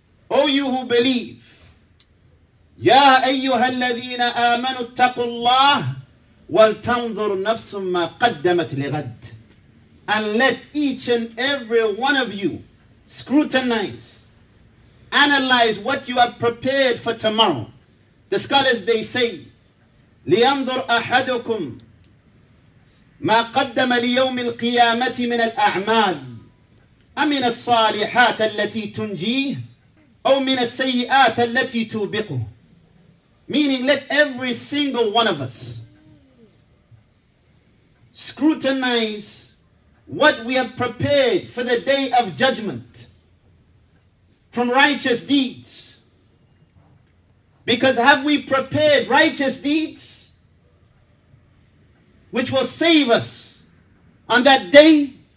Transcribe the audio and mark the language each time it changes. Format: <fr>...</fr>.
<en>O you who believe,</en> <ar>Ya أَيُّهَا الَّذِينَ آمَنُوا اتَّقُوا اللَّهِ وَالْتَنْظُرْ نَفْسٌ مَّا قَدَّمَتْ لِغَدْ.</ar> <en>And let each and every one of you scrutinize, analyze what you have prepared for tomorrow. The scholars, they say,</en> <ar>لِيَنْظُرْ أَحَدُكُمْ مَا قَدَّمَ لِيَوْمِ الْقِيَامَةِ مِنَ الْأَعْمَالِ أَمِنَ الصَّالِحَاتَ الَّتِي تُنْجِيهِ أَوْ مِنَ السَّيِّئَاتَ الَّتِي تُوبِقُهُ.</ar> <en>Meaning, let every single one of us scrutinize what we have prepared for the day of judgment from righteous deeds. Because have we prepared righteous deeds which will save us on that day?</en>